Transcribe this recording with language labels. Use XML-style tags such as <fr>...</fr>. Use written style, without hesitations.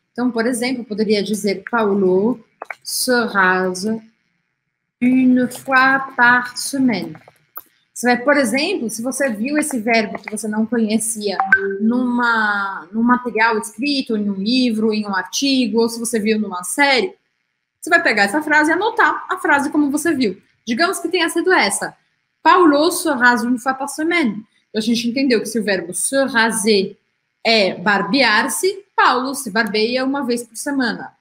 <pt>Então, por exemplo, eu poderia dizer</pt> <fr>Paulo se rase une fois par semaine.</fr> <pt>Você vai, por exemplo, se você viu esse verbo que você não conhecia num material escrito, em um livro, em um artigo, ou se você viu numa série, você vai pegar essa frase e anotar a frase como você viu. Digamos que tenha sido essa.</pt> <fr>Paulo se rase une fois par semaine.</fr> <pt>A gente entendeu que se o verbo se raser é barbear-se, Paulo se barbeia uma vez por semana.</pt>